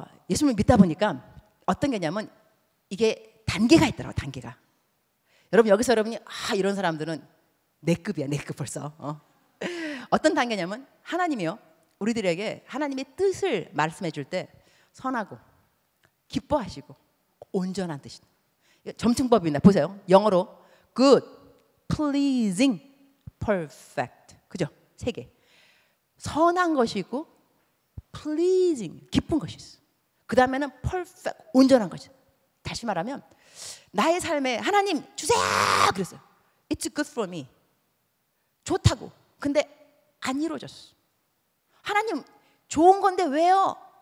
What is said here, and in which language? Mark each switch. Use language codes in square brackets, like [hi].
[ko] 예수님을 믿다 보니까 어떤 게냐면 이게 단계가 있더라고, 단계가. 여러분 여기서 여러분이 이런 사람들은 내 급이야, 내 급 벌써. 어떤 단계냐면 하나님이요. 우리들에게 하나님의 뜻을 말씀해 줄 때 선하고 기뻐하시고 온전한 뜻이. 점층법입니다. 보세요. 영어로 good, pleasing, perfect. 그죠? 세 개. 선한 것이 있고 pleasing, 기쁜 것이 있어. 그 다음에는 perfect, 온전한 것이 있어. 다시 말하면 나의 삶에 하나님 주세요! 그랬어요. [en] It's good for me. [ko] 좋다고. 근데 안 이루어졌어. 하나님 좋은 건데 왜요?